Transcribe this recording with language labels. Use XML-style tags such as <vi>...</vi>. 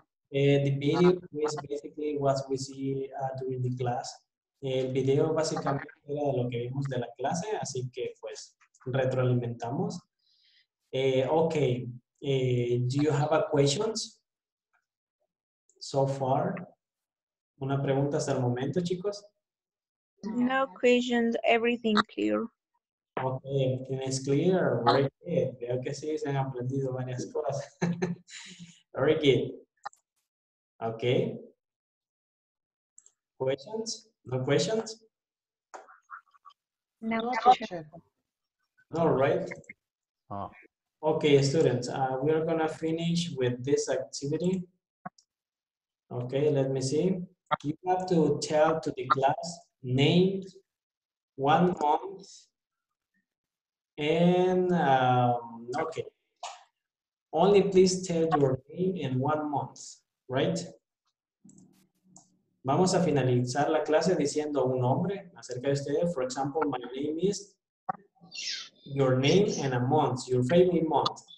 <en>The video is basically what we see during the class.</en> <es>El video básicamente era de lo que vimos de la clase, así que pues retroalimentamos.</es> <en>Do you have a questions so far?</en> <es>¿Una pregunta hasta el momento, chicos?</es> <en>No questions, everything clear. Okay, everything is clear. Very good.</en> <es>Veo que sí, se han aprendido varias cosas.</es> <en>Very good. Okay. Questions? No questions? No questions. All right. Okay, students, we are going to finish with this activity. Okay, let me see. You have to tell to the class names, 1 month, and okay. Only please tell your name in 1 month, right?</en> <es>Vamos a finalizar la clase diciendo un nombre acerca de ustedes.</es> <en>For example, my name is your name and a month, your family month.</en>